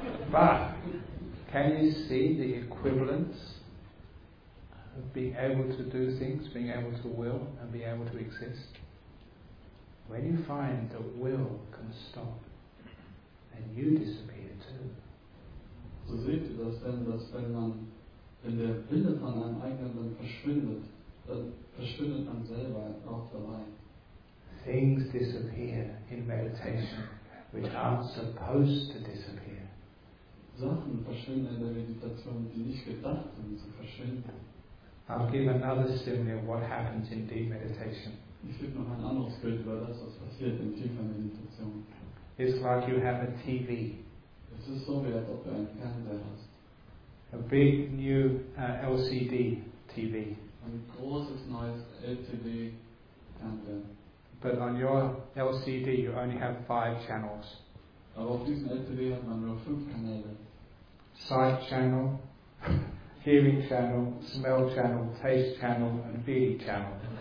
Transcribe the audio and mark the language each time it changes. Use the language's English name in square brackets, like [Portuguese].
[English] But can you see the equivalence of being able to do things, being able to will, and being able to exist? When you find that will can stop, then you disappear too. [German] So seht ihr das denn, dass wenn der Wille von einem eigenen dann verschwindet, dann verschwindet man selber auch dabei. [English] Things disappear in meditation, which aren't supposed to disappear. [German] Sachen verschwinden in der Meditation, die nicht gedacht sind zu verschwinden. [English] I'll give another simile of what happens in deep meditation. [German] Ich gebe noch ein anderes Bild über das, was passiert in tiefer Meditation. [English] It's like you have a TV. [German] Es ist so, wie als ob du einen Fernseher hast. [English] A big new LCD TV. [German] Ein großes neues LCD Fernseher. [English] But on your LCD you only have 5 channels. [German] Aber auf diesem LCD hat man nur 5 Kanäle. [English] Sight channel, hearing channel, smell channel, taste channel and feeling channel.